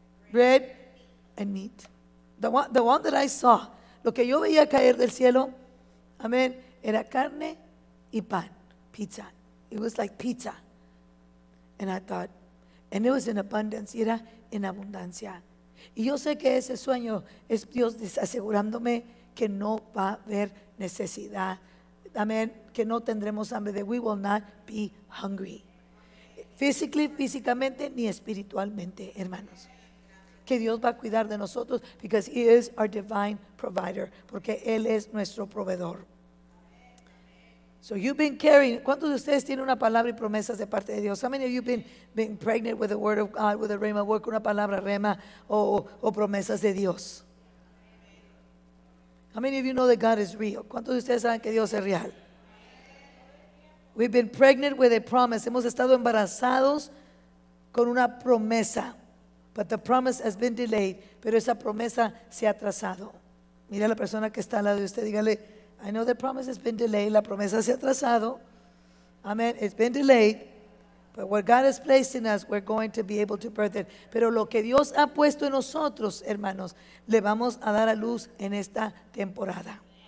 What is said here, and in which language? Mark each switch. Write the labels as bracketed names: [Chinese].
[English] Bread and meat. The one that I saw, [Spanish] lo que yo veía caer del cielo, amén, era carne y pan, [English] pizza. It was like pizza. And I thought, and it was in abundance, [Spanish] era en abundancia. Y yo sé que ese sueño es Dios asegurándome que no va a haber necesidad. Amén, que no tendremos hambre, [English] that we will not be hungry. [Spanish] Físicamente ni espiritualmente, hermanos. Que Dios va a cuidar de nosotros, [English] because He is our divine provider, [Spanish] porque Él es nuestro proveedor. [English] So you've been carrying, [Spanish] ¿cuántos de ustedes tienen una palabra y promesas de parte de Dios? [English] How many of you have been pregnant with the word of God, with a rhema, work, [Spanish] una palabra, rhema, o promesas de Dios? [English] How many of you know that God is real? [Spanish] ¿Cuántos de ustedes saben que Dios es real? [English] We've been pregnant with a promise. [Spanish] Hemos estado embarazados con una promesa. [English] But the promise has been delayed. [Spanish] Pero esa promesa se ha atrasado. Mira a la persona que está al lado de usted, dígale, [English] I know the promise has been delayed. [Spanish] La promesa se ha atrasado. Amen. [English] It's been delayed. But what God has placed in us, we're going to be able to birth it. [Spanish] Pero lo que Dios ha puesto en nosotros, hermanos, le vamos a dar a luz en esta temporada.